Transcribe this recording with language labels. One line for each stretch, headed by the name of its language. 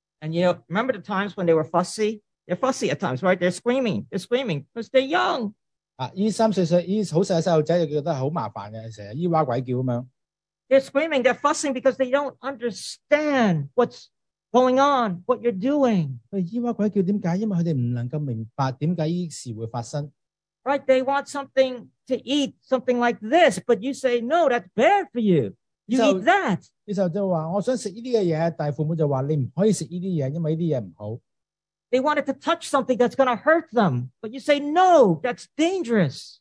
English: And you know, remember the times when they were fussy? They're fussy at times, right? They're screaming because they're young.
Cantonese: 啊，依三四岁，依好细嘅细路仔，就觉得好麻烦嘅，成日咿哇鬼叫咁样。
English: They're screaming, they're fussing because they don't understand what's going on, what you're doing.
Cantonese: 咿哇鬼叫，点解？因为佢哋唔能够明白点解呢事会发生。
English: Right, they want something to eat, something like this, but you say, no, that's bad for you. You eat that.
Cantonese: 呢时候就话，我想食呢啲嘅嘢，但系父母就话，你唔可以食呢啲嘢，因为呢啲嘢唔好。
English: They wanted to touch something that's going to hurt them, but you say, no, that's dangerous.